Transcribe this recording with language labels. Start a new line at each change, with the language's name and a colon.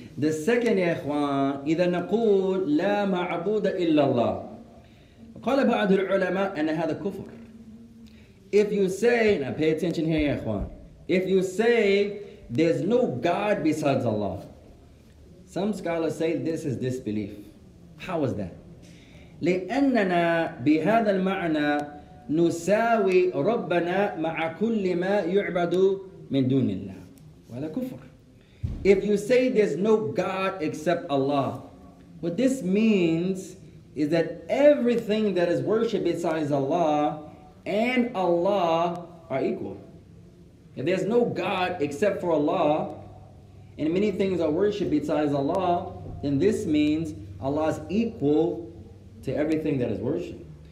English: The second, ya ikhwan,
Arabic: إذا نقول لا معبود إلا الله. قال بعض العلماء أن هذا كفر.
English: If you say, now pay attention here, ikhwan. If you say there's no God besides Allah, some scholars say this is disbelief. How is that?
Arabic: لأننا بهذا المعنى نساوي ربنا مع كل ما يعبد من دون الله. وهذا كفر.
English: If you say there's no God except Allah, what this means is that everything that is worshipped besides Allah and Allah are equal. If there's no God except for Allah, and many things are worshipped besides Allah, then this means Allah is equal to everything that is worshipped.